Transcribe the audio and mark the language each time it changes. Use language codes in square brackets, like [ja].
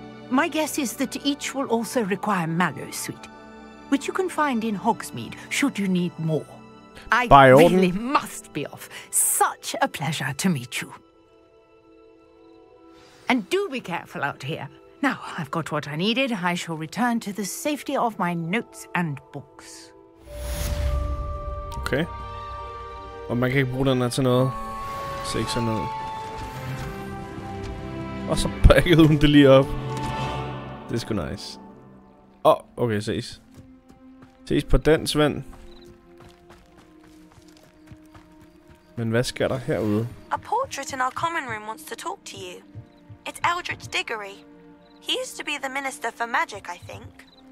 [en] My guess is that each will also require mallow sweet, which you can find in Hogsmeade, should you need more. I really must be off. Such a pleasure to meet you. And do be careful out here. Now, I've got what I needed. I shall return to the safety of my notes and books. [da] Okay. Og man kan ikke bruge den her til noget. Så ikke sådan noget. Og så pakkede hun det lige op. Det er sgu nice. Åh, oh, okay, ses. Ses på dansvand. Men hvad sker der herude? [en] A portrait in our common room wants to talk to you. It's Eldritch Diggory. He used to be the minister for magic, I think.